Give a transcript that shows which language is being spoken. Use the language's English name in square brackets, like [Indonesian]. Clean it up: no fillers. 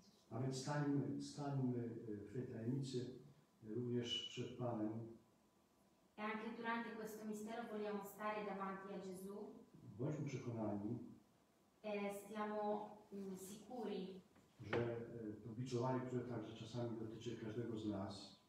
[Polish] A więc stańmy w tej tajemnicy również przed Panem. [Italian] E anche durante questo mistero vogliamo stare davanti a Gesù. [Polish] Bądźmy przekonani. [Italian] E siamo sicuri. [Polish] Że to biczowanie, które także czasami dotyczy każdego z nas.